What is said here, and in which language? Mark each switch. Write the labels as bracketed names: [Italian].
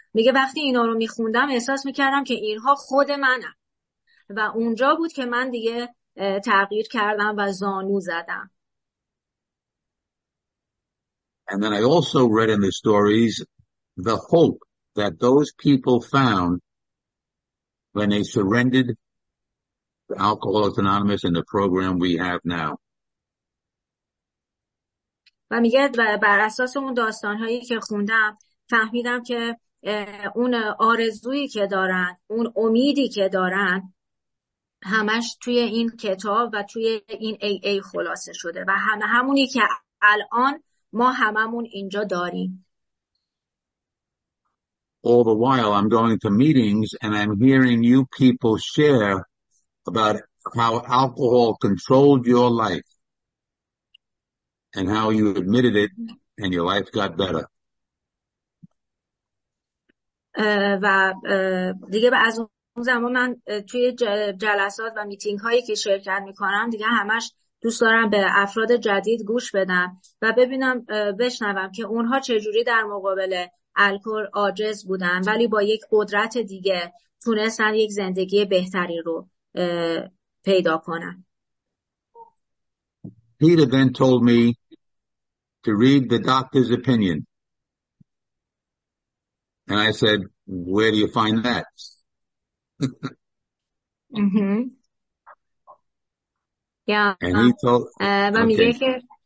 [Persian] میگه وقتی اینا رو می‌خوندم احساس می‌کردم که اینها خود منم و اونجا بود که من دیگه تغییر کردم و زانو زدم. [English] And then I also read in the stories the hope that those people found when they surrendered to Alcoholics Anonymous and the program we have now. [Persian] و میگه بر اساس اون داستان‌هایی که خوندم فهمیدم که اون آرزویی که دارن، اون امیدی که دارن همش توی این کتاب و توی این AA خلاصه شده و همونی که الان ما هممون اینجا داریم. [English] All the while I'm going to meetings and I'm hearing you people share about how alcohol controlled your life and how you admitted it and your life got better. [Persian] و دیگه از اون زمان من توی جلسات و میتینگ هایی که شرکت میکنم دیگه همش دوست دارم به افراد جدید گوش بدم و ببینم بشنوم که اونها چجوری در مقابل الکل عاجز بودن ولی با یک قدرت دیگه تونستن یک زندگی بهتری رو پیدا کنن. [English] Peter then told me to read the doctor's opinion. And I said, where do you find that? And he told, okay.